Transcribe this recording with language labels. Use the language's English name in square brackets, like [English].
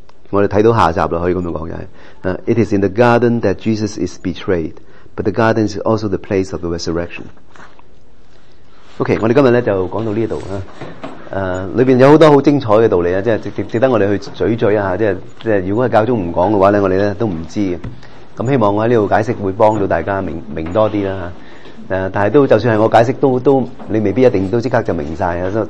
[Cantonese] 我哋睇到下集啦，可以咁樣講嘅。 [English] It is in the garden that Jesus is betrayed, but the garden is also the place of the resurrection. [Cantonese] OK， 我哋今日咧就講到呢度啊。裏邊有好多好精彩嘅道理啊，即係值得我哋去咀嚼一下。即係如果係教宗唔講嘅話咧，我哋咧都唔知嘅。咁希望我喺呢度解釋會幫到大家明多啲啦。但係都就算係我解釋都你未必一定都即刻就明曬啊。